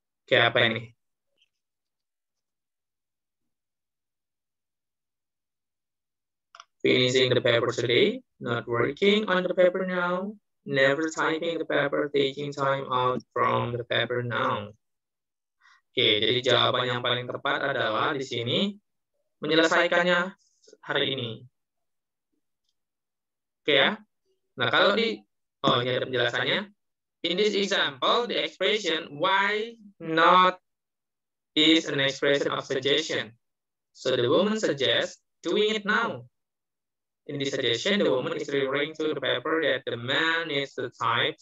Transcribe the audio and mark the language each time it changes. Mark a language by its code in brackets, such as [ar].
[id] Okay, apa ini? [en] Finishing the paper today, not working on the paper now, never typing the paper, taking time out from the paper now. [id] Oke, okay, jadi jawaban yang paling tepat adalah di sini menyelesaikannya hari ini. Oke, okay, ya. Nah, kalau di ini ada penjelasannya. [en] In this example, the expression why not is an expression of suggestion. So the woman suggests doing it now. In this suggestion, the woman is referring to the paper that the man needs to type.